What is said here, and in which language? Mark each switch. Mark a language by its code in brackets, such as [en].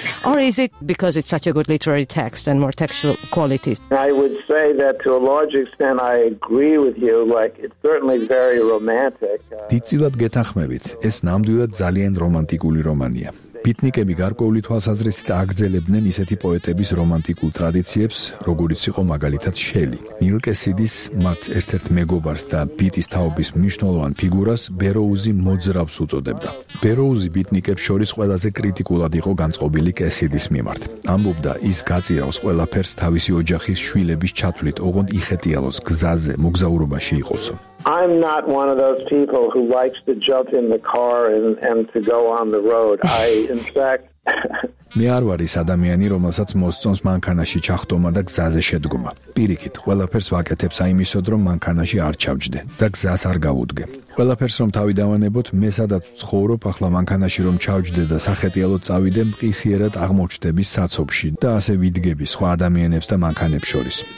[en] Or is it because it's such a good literary text and more textual qualities? I would say that to a large extent I agree with you, like it's certainly very romantic. [ka] დიდწილად გეთანხმებით. ეს ნამდვილად ძალიან რომანტიკული რომანია. ბიტნიკები გარკვეული თვალსაზრისით აგრძელებდნენ ისეთი პოეტების რომანტიკულ ტრადიციებს, როგორიც იყო მაგალითად შელი. ნილ კესიდის, მათ ერთ-ერთ მეგობარს და ბიტის თაობის მნიშვნელოვან ფიგურას ბეროუზი მოძრავს უწოდებდა. ბეროუზი ბიტნიკებს შორის ყველაზე კრიტიკულად იყო განწყობილი კესიდის მიმართ. ამბობდა, ის გაწირავს ყველაფერს თავისი ოჯახის შვილების ჩათვლით, ოღონდ იხეტიალოს გზაზე მოგზაურობაში იყოსო. [en] I'm not one of those people who likes to jump in the car and to go on the road. I in fact [ka] მე არ ვარ ის ადამიანი, რომელსაც მოსწონს მანქანაში ჩახტომა და გზაზე შედგომა. პირიქით, ყველაფერს ვაკეთებს აიმისოდ, რომ მანქანაში არ ჩავჯდე და გზას არ გავუდგე. ყველაფერს რომ თავი დავანებოთ, მე სადაც ვცხოვრობ, ახლა მანქანაში რომ ჩავჯდე და სახეტიალოდ წავიდე, მყისიერად აღმოჩნდების საცობში და ასე ვიდგები სხვა ადამიანებს და მანქანებს შორის.